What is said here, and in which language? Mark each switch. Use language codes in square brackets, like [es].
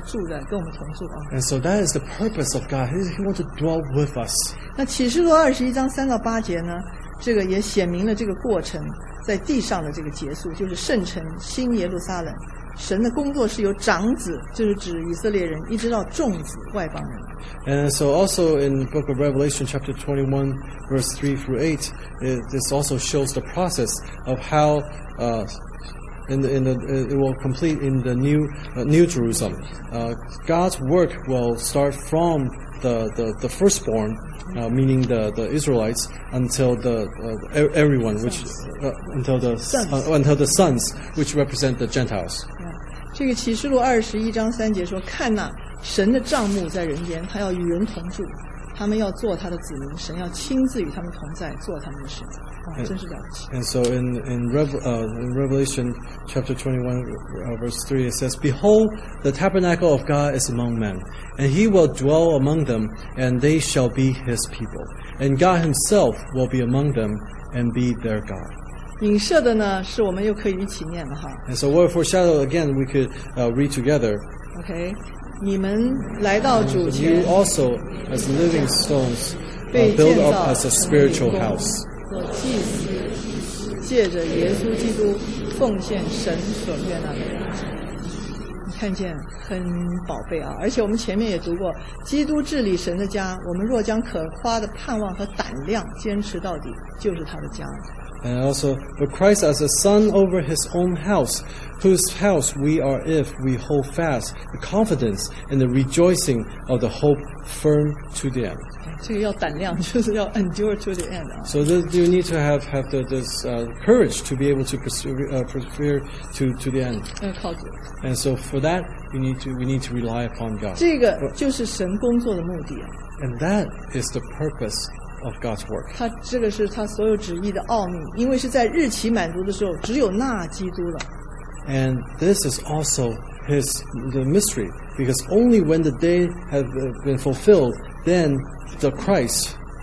[en] And so that is the purpose of God. He wants to dwell with us. [zh] 那启示录二十一章三到八节呢，这个也写明了这个过程在地上的这个结束，就是圣城新耶路撒冷。神的工作是由长子，就是指以色列人，一直到众子外邦人。 [en] And so also in the book of Revelation chapter 21 verse 3 through 8, this also shows the process of how it will complete in the new Jerusalem. God's work will start from the firstborn, meaning the Israelites, until everyone, which until the sons, which represent the Gentiles. [zh] 这个启示录二十一章三节说，看哪。神的帐幕在人间，他要与人同住，他们要做他的子民，神要亲自与他们同在，做他们的神。哇，真是了不起。 [en] And so in Revelation chapter 21 verse 3 it says, Behold, the tabernacle of God is among men, and he will dwell among them, and they shall be his people. And God himself will be among them and be their God. [zh] 影射的呢，是我们又可以一起念了哈。 [en] And so what foreshadow again, we could read together. [zh] Okay. 你们来到主前 [en] you also, as living stones, build up as a spiritual house. [zh] 做祭司，借着耶稣基督奉献神所悦纳的人。你看见很宝贝啊！而且我们前面也读过，基督治理神的家，我们若将可夸的盼望和胆量坚持到底，就是他的家。 [en] And also, but Christ as a son over his own house, whose house we are if we hold fast the confidence and the rejoicing of the hope firm to the end. [zh] 这个要胆量，就是要 [en] endure to the end. So this, you need to have this courage to be able to persevere to the end. And so for that, we need to rely upon God. [zh] 这个就是神工作的目的啊。 [en] And that is the purpose. Of God's work. [zh] 他这个是他所有旨意的奥秘，因为是在日期满足的时候，只有那基督了。 [en] And this is also the mystery, because only when the day has been fulfilled, then the Christ.